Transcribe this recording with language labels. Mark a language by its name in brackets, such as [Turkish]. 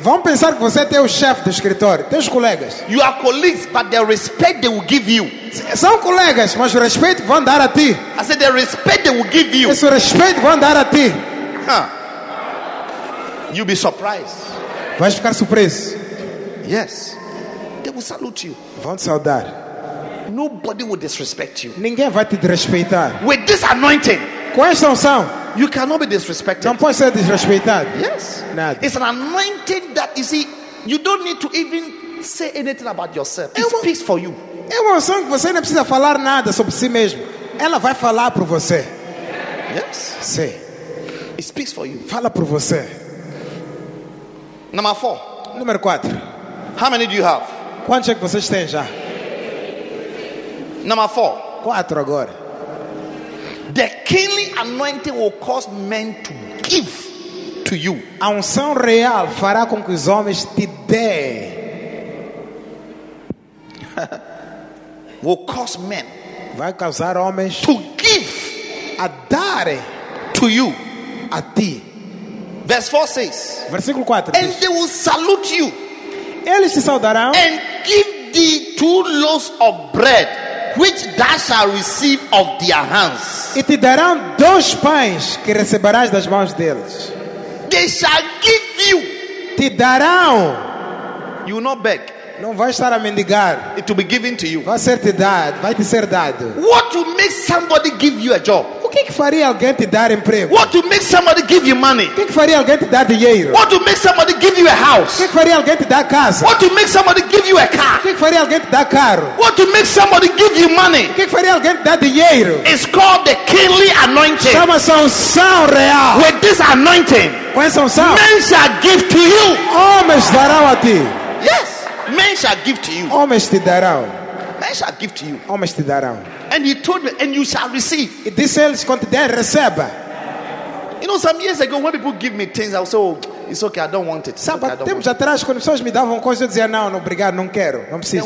[Portuguese] Vão pensar que você é o chefe do escritório, teus colegas. [English] You are colleagues, but the respect they will give you. [Portuguese] São colegas, mas o respeito vão dar a ti. [English] I said the respect they will give you. [Portuguese] Esse respeito vão dar a ti. [English] You'll be surprised. [Portuguese] Vais ficar surpreso. [English] Yes. They will salute you. [Portuguese] Vão te saudar. [English] Nobody will disrespect you. [Portuguese] Ninguém vai te desrespeitar. [English] With this anointing. [Portuguese] Com esta unção. [English] You cannot be disrespected. [Portuguese] Não pode ser desrespeitado. [English] Yes. [Portuguese] Nada. [English] It's an anointing that you see. You don't need to even say anything about yourself. It speaks for you. [Portuguese] É uma unção que você não precisa falar nada sobre si mesmo. Ela vai falar para você. [English] Yes. [Portuguese] Sim. [English] It speaks for you. [Portuguese] Fala para você. [English] Number 4. [Portuguese] Número 4. [English] How many do you have? [Portuguese] Quantos é que vocês têm já? [English] Number 4. [Portuguese] 4 agora. [English] The kingly anointing will cause men to give to you. [Portuguese] A unção real fará com que os homens te dêem. [English] Will cause men. [Portuguese] Vai causar homens [English] to give [Portuguese] a dar [English] to you. [Portuguese] A ti. [English] Verse 4 says. [Portuguese] Versículo 4. [English] And they will salute you. [Portuguese] Eles te saudarão. [English] And give thee 2 loaves of bread, which thou shalt receive of their hands. [Portuguese] E te darão 2 pães que receberás das mãos deles. [English] They shall give you. [Portuguese] Te darão. [English] You will not beg. [Portuguese] Não vai estar a mendigar. [English] It will be given to you. [Portuguese] Vai ser te dado. Vai te ser dado. [English] What will make somebody give you a job? [Portuguese] O que faria alguém te dar emprego? [English] What will make somebody give you money? [Portuguese] O que faria alguém te dar dinheiro? [English] What will make somebody give you a house? [Portuguese] O que faria alguém te dar casa? [English] What will make somebody give you a car? [Portuguese] O que faria alguém te dar carro? [English] What will make somebody give you money? [Portuguese] O que faria alguém te dar dinheiro? [English] It's called the kingly anointing. [Portuguese] Chama-se unção real. [English] With this anointing, [Portuguese] com essa unção, [English] men shall give to you. [Portuguese] Homens darão a ti. [English] Yes. Men shall give to you. [Portuguese] Homens te darão. [English] Men shall give to you. [Portuguese] Homens te darão. [English] And he told me, and you shall receive. [Portuguese] E disse eles, quando te der, receba. [English] You know, some years ago, when people give me things, I was so, it's okay, I don't want it. [Portuguese] Sabe, [English] okay, [Portuguese] tempos atrás, quando pessoas me davam coisas, eu dizia, não, não, obrigado, não quero, não preciso.